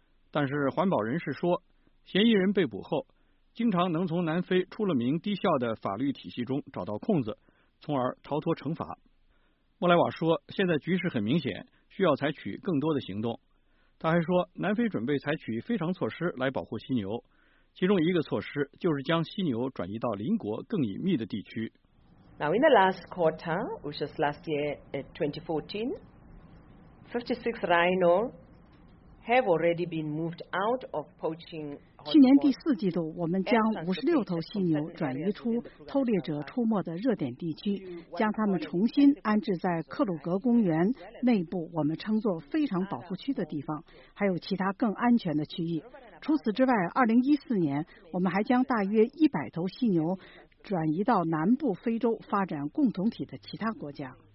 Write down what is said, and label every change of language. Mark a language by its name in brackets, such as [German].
[Chinese] 但是环保人士说，嫌疑人被捕后，经常能从南非出了名低效的法律体系中找到空子，从而逃脱惩罚。莫莱瓦说，现在局势很明显，需要采取更多的行动。他还说，南非准备采取非常措施来保护犀牛，其中一个措施就是将犀牛转移到邻国更隐秘的地区。 [English] Now in the last quarter, which was last year, 2014, 56 rhino have already been moved out of poaching. [Chinese] 去年第四季度，我们将56头犀牛转移出偷猎者出没的热点地区，将它们重新安置在克鲁格公园内部，我们称作非常保护区的地方，还有其他更安全的区域。除此之外，2014年我们还将大约100头犀牛转移到南部非洲发展共同体的其他国家。